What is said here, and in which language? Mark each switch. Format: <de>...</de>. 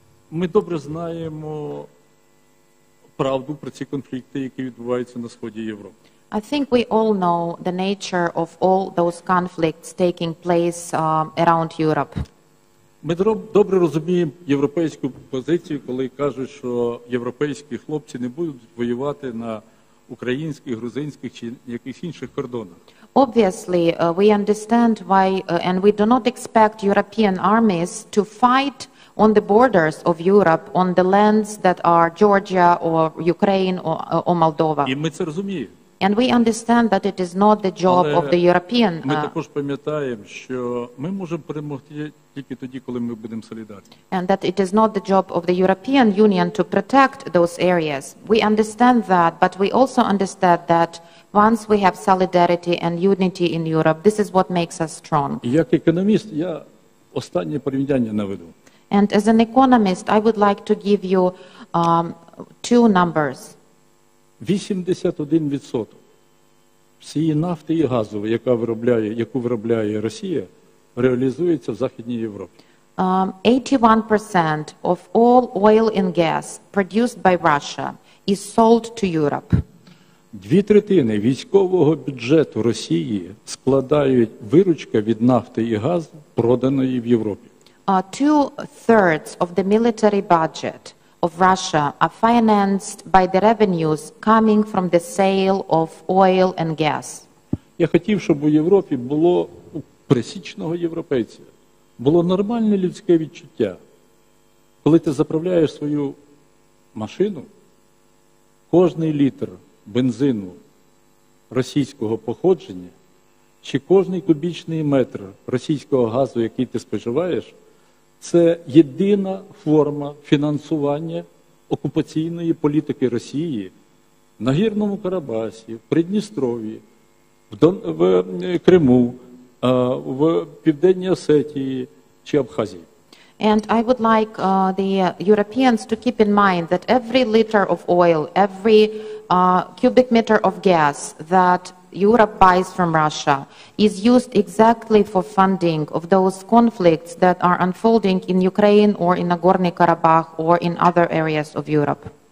<uk>Ми добре знаємо правду про ці конфлікти, які відбуваються на сході Європи.</uk> <en>I think we all know the nature of all those conflicts taking place around Europe.</en> <uk>Ми добре розуміємо європейську позицію, коли кажуть, що європейські хлопці не будуть воювати на українських, грузинських чи якихось інших кордонах.</uk> <en>Obviously, we understand why and we do not expect European armies to fight on the borders of Europe, on the lands that are Georgia or Ukraine or Moldova.</en> <uk>І ми це розуміємо.</uk> <en>And we understand that it is not the job</en> <uk>Але</uk> <en>of the European.</en> <uk>Ми також пам'ятаємо, що ми можемо перемогти тільки тоді, коли ми будемо солідарні.</uk> <en>And that it is not the job of the European Union to protect those areas. We understand that, but we also understand that once we have solidarity and unity in Europe, this is what makes us strong.</en> <uk>Як економіст, я останнє порівняння наведу.</uk> <en>And as an economist, I would like to give you two numbers.</en> <uk>81% всієї нафти і газу, яку виробляє Росія, реалізується в Західній Європі.</uk> <en>81% of all oil and gas produced by Russia is sold to Europe.</en> <uk>Дві третини військового бюджету Росії складають виручка від нафти і газу, проданої в Європі.</uk> <en>Two-thirds of the military budget of Russia are financed by the revenues coming from the sale of oil and gas.</en> <uk>Я хотів, щоб у Європі було у пересічного європейця, було нормальне людське відчуття, коли ти заправляєш свою машину, кожний літр бензину російського походження, чи кожний кубічний метр російського газу, який ти споживаєш, це єдина форма фінансування окупаційної політики Росії на Гірному Карабасі, в Придністрові, в Криму, в Південній Осетії чи Абхазії.</uk> <en>And I would like the Europeans to keep in mind that every liter of oil, every cubic meter of gas that Europe buys from Russia is used exactly for funding of those conflicts that are unfolding in Ukraine or in Nagorno-Karabakh or in other areas of Europe.</en>